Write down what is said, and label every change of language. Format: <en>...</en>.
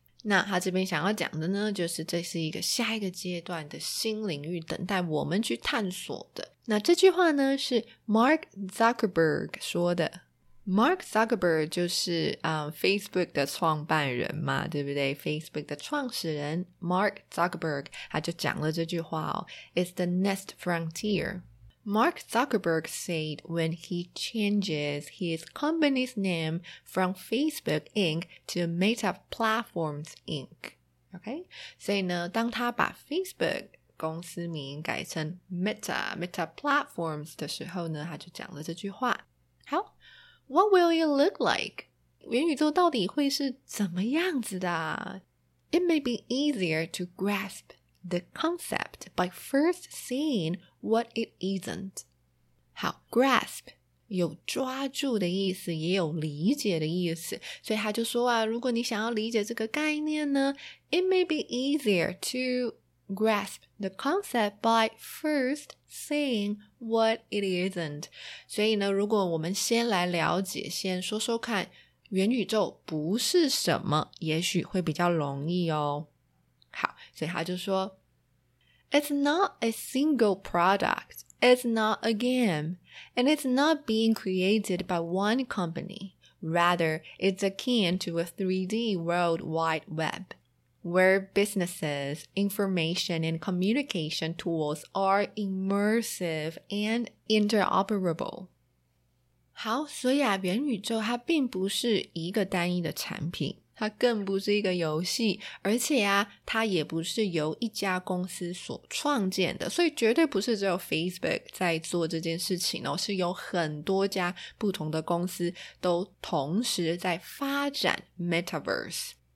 <zh>那他这边想要讲的呢，就是这是一个下一个阶段的新领域等待我们去探索的。那这句话呢是 Mark Zuckerberg 说的。 Mark Zuckerberg 就是Facebook 的创办人嘛，对不对？ Facebook 的创始人 Mark Zuckerberg 他就讲了这句话哦，</zh> <en>It's the next frontier. Mark Zuckerberg said when he changes his company's name from Facebook Inc. to Meta Platforms Inc. OK?</en> <zh>所以呢，当他把 Facebook 公司名改成 Meta Platforms 的时候呢，他就讲了这句话。好，</zh> <en>What will it look like?</en> <zh>元宇宙到底会是怎么样子的？</zh> <en>It may be easier to grasp the concept by first seeing what it isn't.</en> <zh>好， grasp 有抓住的意思，也有理解的意思，所以他就说啊，如果你想要理解这个概念呢，</zh> <en>It may be easier to grasp the concept by first seeing what it isn't.</en> <zh>所以呢，如果我们先来了解，先说说看元宇宙不是什么，也许会比较容易哦。好，所以他就说</zh> <en>It's not a single product. It's not a game, and it's not being created by one company. Rather, it's akin to a 3D World Wide Web, where businesses, information, and communication tools are immersive and interoperable.</en> <zh>好，所以啊，元宇宙它并不是一个单一的产品，它更不是一个游戏，而且啊，它也不是由一家公司所创建的，所以绝对不是只有 Facebook 在做这件事情哦，是有很多家不同的公司都同时在发展 Metaverse。</zh>